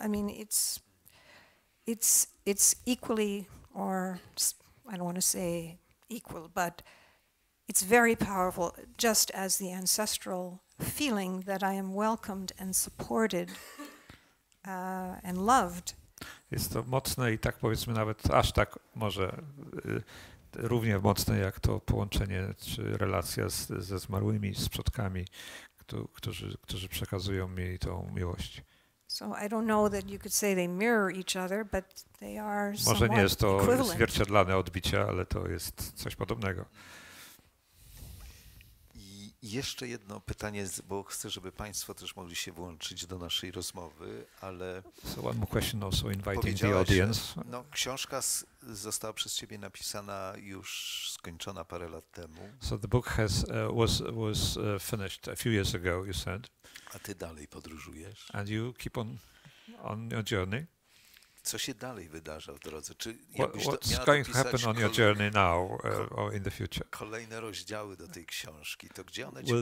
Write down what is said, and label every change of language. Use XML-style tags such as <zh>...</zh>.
<en>I mean, it's equally, or I don't want to say equal, but it's very powerful, just as the ancestral feeling that I am welcomed and supported and loved.</en> <pl>Jest to mocne i tak powiedzmy nawet aż tak może równie mocne jak to połączenie czy relacja ze zmarłymi, z przodkami, którzy przekazują mi tą miłość.</pl> <en>So I don't know that you could say they mirror each other, but they are somewhat.</en> <pl>Może nie jest to zwierciadlane odbicie, ale to jest coś podobnego. I jeszcze jedno pytanie, bo chcę, żeby państwo też mogli się włączyć do naszej rozmowy, ale</pl> <en>so one more question also inviting the audience.</en> <pl>No, książka została przez ciebie napisana, już skończona parę lat temu.</pl> <en>So the book has was finished a few years ago, you said.</en> <pl>A ty dalej podróżujesz.</pl> <en>And you keep on your journey.</en> <pl>Co się dalej wydarza w drodze? Czy</pl> <en>what's going to happen on your journey now or in the future?</en> <pl>Kolejne rozdziały do tej książki, to gdzie one cię</pl>